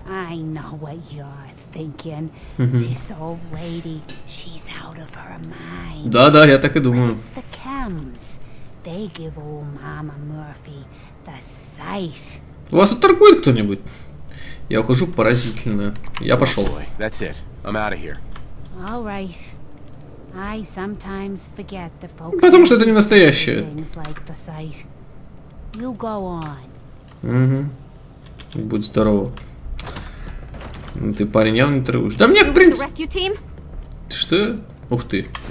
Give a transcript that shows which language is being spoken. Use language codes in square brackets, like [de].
[en] I know what you're thinking. Mm-hmm. This old lady, she's out of her mind. [ru] Да-да, я так и думаю. [en] The Kems, they give old Mama Murphy the sight. [ru] У вас тут торгует кто-нибудь? Я ухожу поразительно. Я пошел. [en] That's it. I'm out of here. All right. I sometimes forget the folks. [ru] Потому что это не настоящее. [en] Like the sight. You go on. [ru] Угу. Будь здорово. Ну ты, парень, явно не торгуешь. Да мне, в принципе... Что? Ух ты.